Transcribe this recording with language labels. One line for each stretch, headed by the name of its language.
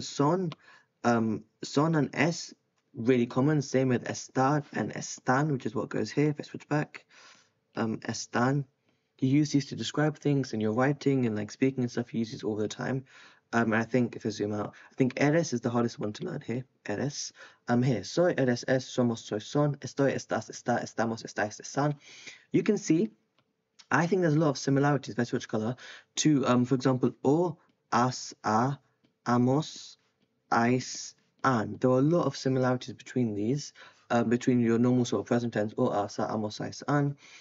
English: Son, son and es, really common, same with estar and están, which is what goes here. If I switch back, están, You use these to describe things in your writing and like speaking and stuff. You use these all the time. I think if I zoom out, I think eres is the hardest one to learn here.
Spanish: Eres.
English: Here.
Spanish: Soy, eres, es, somos, soy, son. Estoy, estás, está, estamos, estáis, están.
English: You can see, I think there's a lot of similarities, that's which color, to, for example, o, as, a, amos, ais, an. There are a lot of similarities between these, between your normal sort of present tense, o, as, a, amos, ais, an.